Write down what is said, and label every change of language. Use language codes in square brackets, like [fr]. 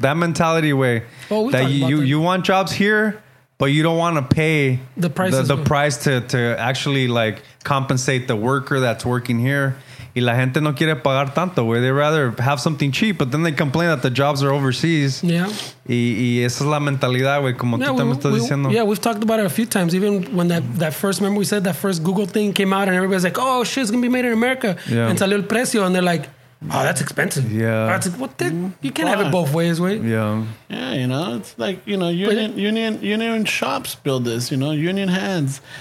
[en] That mentality, way, well, that you want jobs here, but you don't want to pay the price to actually like compensate the worker that's working here. Y la gente no quiere pagar tanto, way. They'd rather have something cheap, but then they complain that the jobs are overseas. Yeah. [es] Y esa es la mentalidad, güey, como tú también estás diciendo. [en] Yeah, we've talked about it a few times. Even when that first, remember we said that first Google thing came out and everybody's like, oh, shit, it's going to be made in America. Yeah. And salió el precio. And they're like, oh, that's expensive. Yeah. That's like, what the? You can't have it both ways, way. Yeah. Yeah, you know, it's like, you know, union shops build this, you know, union hands.